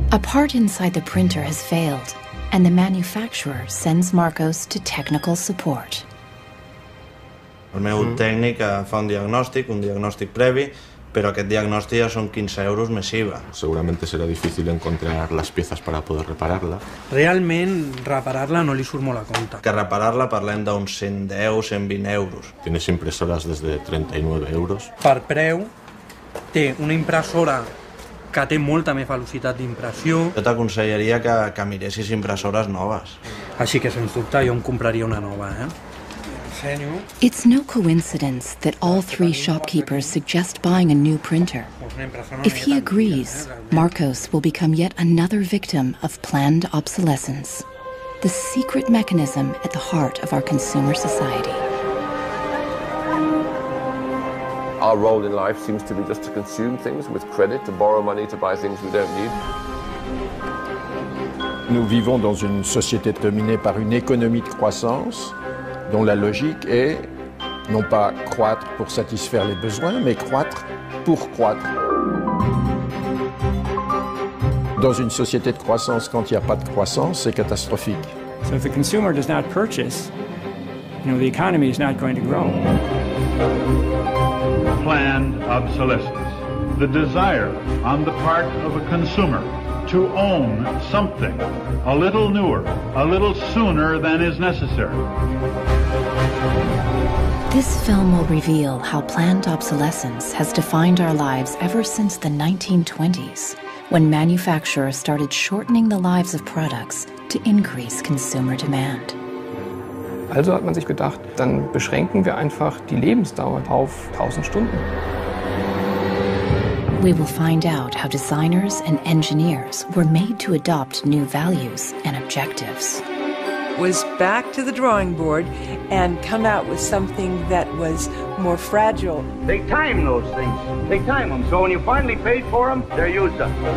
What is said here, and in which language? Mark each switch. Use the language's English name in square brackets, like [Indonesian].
[English] The part inside the printer has failed, and the manufacturer sends Marcos to technical support. [Catalan] El meu tècnic fa un diagnòstic previ, però aquest diagnòstic ja són 15 euros més IVA. Segurament serà difícil encontrar les peces per a poder reparar-la. Realment, reparar-la no li surt molt a compte. Que reparar-la parlem d'uns 110, 120 euros. Tienes impressores des de 39 euros. Per preu, té una impressora que té molta més velocitat d'impressió. Jo t'aconsellaria que miressis impressores noves. Així que, sens dubte, jo em compraria una nova, eh? [English] It's no coincidence that all three shopkeepers suggest buying a new printer. If he agrees, Marcos will become yet another victim of planned obsolescence, the secret mechanism at the heart of our consumer society. Our role in life seems to be just to consume things with credit, to borrow money, to buy things we don't need. [French] Nous vivons dans une société dominée par une économie de croissance dont la logique est non pas croître pour satisfaire les besoins, mais croître pour croître. Dans une société de croissance, quand il n'y a pas de croissance, c'est catastrophique. [English] So if the consumer does not purchase, you know, the economy is not going to grow. Planned obsolescence, the desire on the part of a consumer to own something a little newer, a little sooner than is necessary. This film will reveal how planned obsolescence has defined our lives ever since the 1920s, when manufacturers started shortening the lives of products to increase consumer demand. [German] Also hat man sich gedacht, dann beschränken wir einfach die Lebensdauer auf 1000 Stunden. [English] We will find out how designers and engineers were made to adopt new values and objectives. Was back to the drawing board and come out with something that was more fragile. They time those things. They time them. So when you finally paid for them, they're used up.